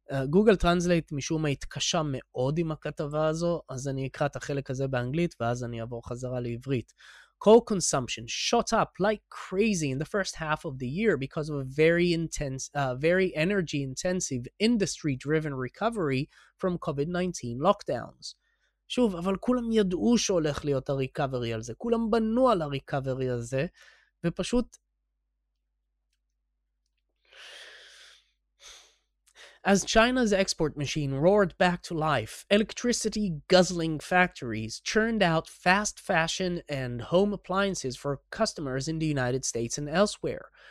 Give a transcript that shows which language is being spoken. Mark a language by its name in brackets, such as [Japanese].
[Hebrew] גוגל טרנסלייט משום מה התקשה מאוד עם הכתבה הזו, אז אני אקרא את החלק הזה באנגלית, ואז אני אעבור חזרה לעברית. [English] Coal consumption shot up like crazy in the first half of the year because of a very intense, very energy intensive industry driven recovery from COVID-19 lockdowns. [Hebrew] שוב, אבל כולם ידעו שהולך להיות הריקאברי על זה. כולם בנו על הריקאברי הזה, ופשוט... [English] As China's export machine roared back to life, electricity-guzzling factories churned out fast fashion and home appliances for customers in the United States and elsewhere.